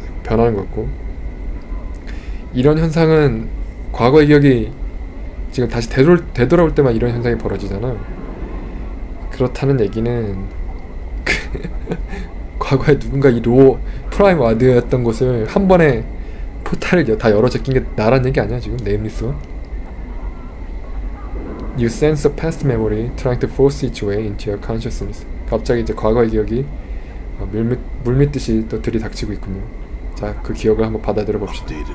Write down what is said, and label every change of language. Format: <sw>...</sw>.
<ko>변하는 것 같고 이런 현상은 과거의 기억이 지금 다시 되돌아올 때만 이런 현상이 벌어지잖아. 그렇다는 얘기는 과거에 누군가 이 프라임 와드였던 곳을 한 번에 포탈을 다 열어 제낀 게 나란 얘기 아니야 지금 내 입에서.</ko> <en>You sense a past memory trying to force its way into your consciousness.</en> <ko>갑자기 이제 과거의 기억이 물밀듯이 또 들이닥치고 있군요. 자, 그 기억을 한번 받아들여 봅시다.</ko>